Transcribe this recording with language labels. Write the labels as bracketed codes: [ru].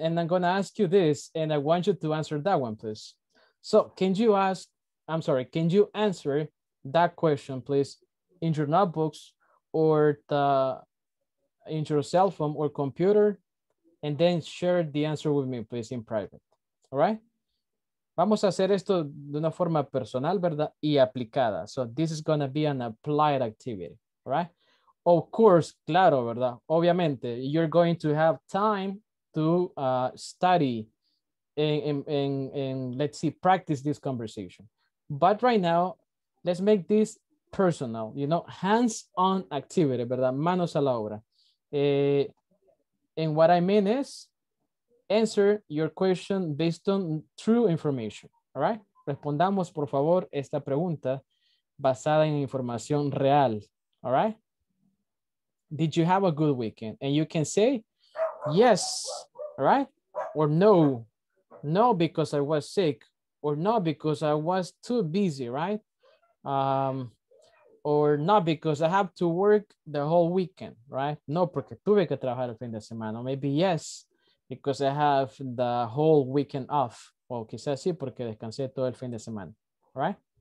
[en] And I'm going to ask you this, and I want you to answer that one, please. So can you answer that question, please, in your notebooks or in your cell phone or computer, and then share the answer with me, please, in private, all right? [es] Vamos a hacer esto de una forma personal, ¿verdad? Y aplicada. [en] So this is going to be an applied activity, all right? Of course, [es] claro, ¿verdad? Obviamente, [en] you're going to have time to study and let's see, practice this conversation. But right now, let's make this personal, you know, hands-on activity, [es] ¿verdad? Manos a la obra. [en] And what I mean is, answer your question based on true information, all right? [es] Respondamos, por favor, esta pregunta basada en información real, [en] all right? Did you have a good weekend? And you can say yes, all right? Or no, no, because I was sick, or no, because I was too busy, right? Or not because I have to work the whole weekend, right? [es] No, porque tuve que trabajar el fin de semana. [en] Maybe yes, because I have the whole weekend off. [es] O quizás sí, porque descansé todo el fin de semana, [en] right?